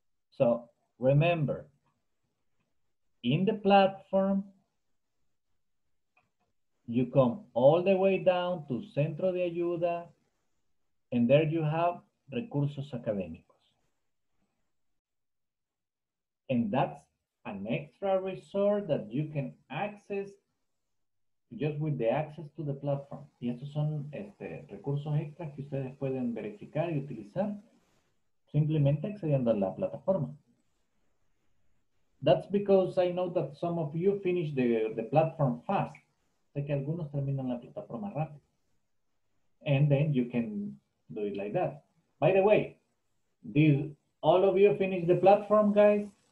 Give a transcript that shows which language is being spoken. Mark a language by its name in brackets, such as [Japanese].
[English] So remember, in the platform, you come all the way down to Centro de Ayuda, and there you have recursos académicos. And that's an extra resource that you can access just with the access to the platform. [Spanish] Y estos son este, recursos extras que ustedes pueden verificar y utilizar simplemente accediendo a la plataforma. [English] That's because I know that some of you finish the platform fast. [Spanish] Sé que algunos terminan la plataforma rápido. [English] And then you can do it like that. By the way, did all of you finish the platform, guys?